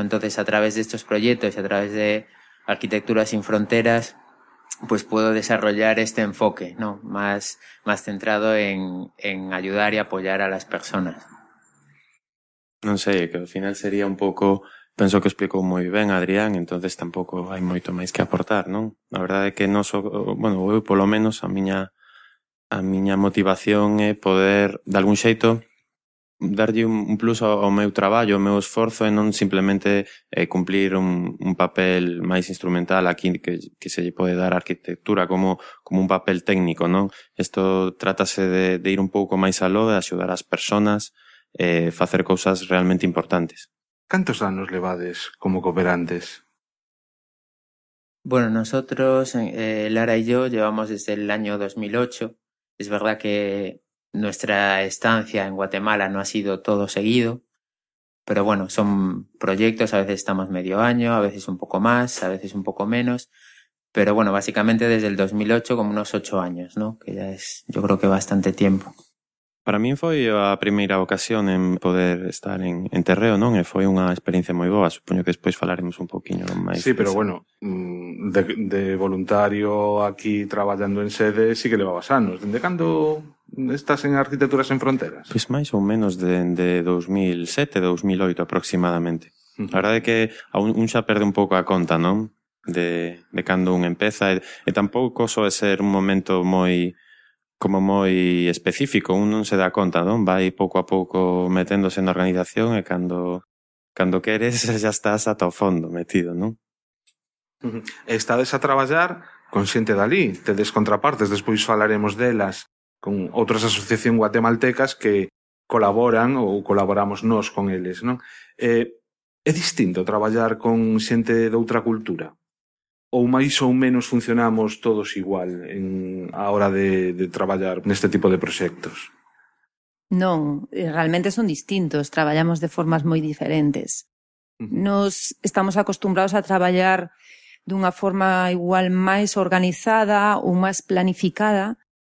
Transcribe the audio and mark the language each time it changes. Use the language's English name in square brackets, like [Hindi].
[Spanish] Entonces, a través de estos proyectos y a través de Arquitectura sin Fronteras, pues puedo desarrollar este enfoque, ¿no? Más centrado en ayudar y apoyar a las personas. No sé, que al final sería un poco, pienso que explico muy bien Adrián, entonces tampoco hay mucho más que aportar, ¿no? La verdad es que no so, [Galician] bueno, por lo menos a miña motivación es poder de algún xeito darlle un plus ao meu traballo, ao meu esforzo, e non simplemente cumplir un papel máis instrumental aquí que se lle pode dar a arquitectura como un papel técnico, non? Isto trátase de ir un pouco máis aló, de axudar as persoas, facer cousas realmente importantes. Cantos anos levades como cooperantes? [Spanish] Bueno, nosotros, Lara e yo, llevamos desde el año 2008. Es verdad que nuestra estancia en Guatemala no ha sido todo seguido, pero bueno, son proyectos, a veces estamos medio año, a veces un poco más, a veces un poco menos, pero bueno, básicamente desde el 2008 como unos 8 años, ¿no? Que ya es, yo creo que bastante tiempo. [Galician] Para mí foi a primeira ocasión en poder estar en Terreo, non? E foi unha experiencia moi boa, supoño que despois falaremos un poquinho máis. Sí, pero bueno, de voluntario aquí traballando en sede, sí que levabas anos. Dende cando estás en Arquitecturas en Fronteras? Pois máis ou menos de 2007, 2008 aproximadamente. A verdade é que un xa perde un pouco a conta, non? De cando un empeza, e tampouco soe ser un momento moi como moi específico, un non se dá conta, non? Vai pouco a pouco meténdose na organización e cando queres xa estás ata o fondo metido, non? Estades a traballar con xente dalí, tedes contrapartes, despois falaremos delas, con outras asociación guatemaltecas que colaboran ou colaboramos nós con eles, non? É distinto traballar con xente de outra cultura? Ou máis ou menos funcionamos todos igual a hora de traballar neste tipo de proxectos? Non, realmente son distintos, traballamos de formas moi diferentes. Nos estamos acostumbrados a traballar dunha forma igual máis organizada ou máis planificada.